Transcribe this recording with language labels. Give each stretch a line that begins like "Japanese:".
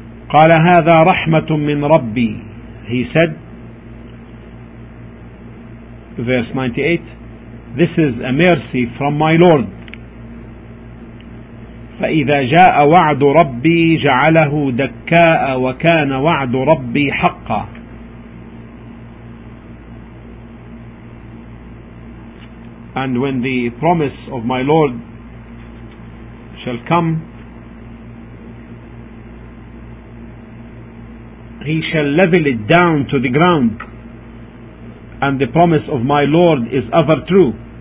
Arabic: قال هذا رحمة من ربي.
English: He said, verse 98, this is a mercy from my Lord.
Arabic: فإذا جاء وعد ربي جعله دكاء وكان وعد ربي حقا.
English: And when the promise of my Lord shall come, he shall level it down to the ground, and the promise of my Lord is ever true.